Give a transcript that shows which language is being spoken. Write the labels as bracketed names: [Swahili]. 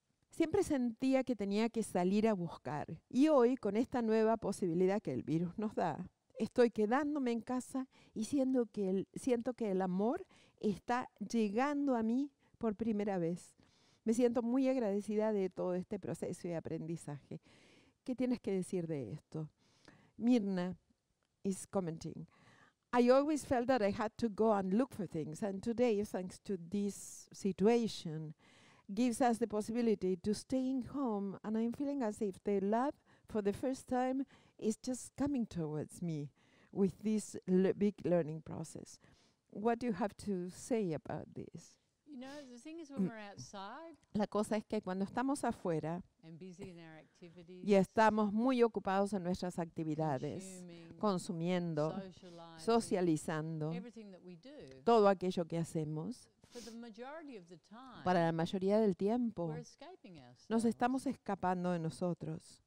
[Spanish] Siempre sentía que tenía que salir a buscar. Y hoy, con esta nueva posibilidad que el virus nos da, estoy quedándome en casa y siento que el amor está llegando a mí por primera vez. Me siento muy agradecida de todo este proceso de aprendizaje. ¿Qué tienes que decir de esto? Mirna, [English] is commenting. I always felt that I had to go and look for things, and today, thanks to this situation, gives us the possibility to stay in home, and I'm feeling as if the love for the first time is just coming towards me with this big learning process. What do you have to say about this? You know, the thing is when we're outside, [Spanish] la cosa es que cuando estamos afuera [English] and busy in our activities, [Spanish] y estamos muy ocupados en nuestras actividades, consumiendo, socializando, [English] everything that we do, [Spanish] todo aquello que hacemos, [English] for the majority of the time, [Spanish] para la mayoría del tiempo, [English] we're escaping ourselves. [Spanish] Nos estamos escapando de nosotros.